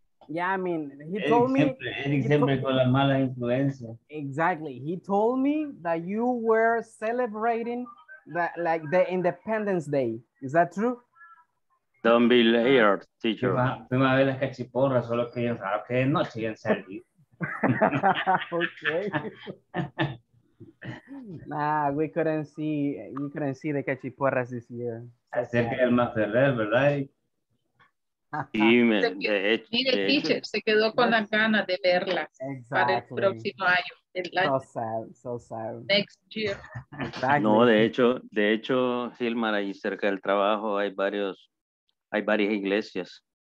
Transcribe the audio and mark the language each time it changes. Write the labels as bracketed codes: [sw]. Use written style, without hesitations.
[es] Y [en] Yeah, I mean, he Eric told me. [es] Eric siempre con la mala influencia. [en] Exactly. He told me that you were celebrating the, like, the Independence Day. Is that true? Don't be layered, teacher. [es] Fuimos a ver las cachiporras, solo que es raro que no siguen saliendo. [en] Okay. Nah, we couldn't see the cachiporras this year. [es] Acerca del Maferrer, ¿verdad? Sí, de hecho. Mire, teacher, se quedó con las ganas de verlas. [en] Exactly. [es] Para el próximo año. [en] So sad. Next year. Exactly. [es] No, de hecho, Gilmar, ahí cerca del trabajo hay varios, hay varias iglesias.